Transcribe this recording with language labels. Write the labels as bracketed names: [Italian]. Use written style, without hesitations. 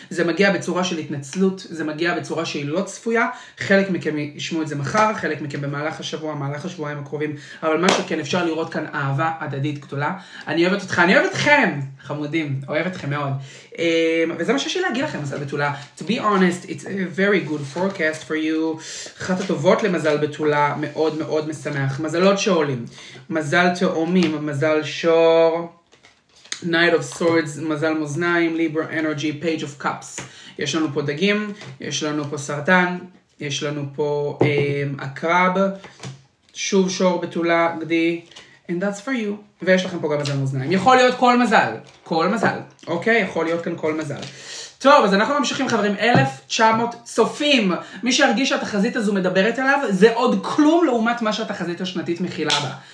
[Hebrew] זה מגיע בצורה של התנצלות, זה מגיע בצורה שהיא לא צפויה. חלק מכם ישמעו את זה מחר, חלק מכם במהלך השבוע, במהלך השבועיים הקרובים. אבל מה שכן, אפשר לראות כאן אהבה הדדית גדולה. אני אוהבת אותך, אני אוהבת אתכם, חמודים, אוהבת אתכם מאוד. וזה מה שיש לי להגיד לכם, מזל בתולה. [English] To be honest, it's a very good forecast for you. [Hebrew] אחת הטובות למזל בתולה, מאוד מאוד משמח. מזלות שעולים. מזל תאומים, מזל שור. [English] Knight of Swords, מזל מוזניים. Libra Energy, Page of Cups. [Hebrew] יש לנו פה דגים, יש לנו פה סרטן, יש לנו פה אקרב. שוב שור בתולה, גדי. [English] And that's for you. [Hebrew] ויש לכם פה גם מזל מוזניים. יכול להיות כל מזל. כל מזל. אוקיי? יכול להיות כאן כל מזל. טוב, אז אנחנו ממשיכים, חברים. 1,900 צופים. מי שהרגיש שהתחזית הזו מדברת עליו, זה עוד כלום לעומת מה שהתחזית השנתית מכילה בה.